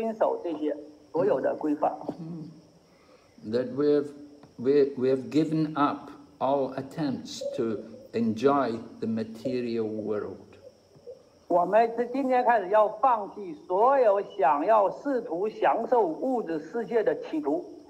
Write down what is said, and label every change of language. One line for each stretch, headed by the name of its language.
Chinese: 一直到你的余生，生命最后一刻，发誓遵守这些所有的规范。
English: That we have given up all attempts to enjoy the material world.
Chinese: 我们今天开始要放弃所有想要试图享受物质世界的企图。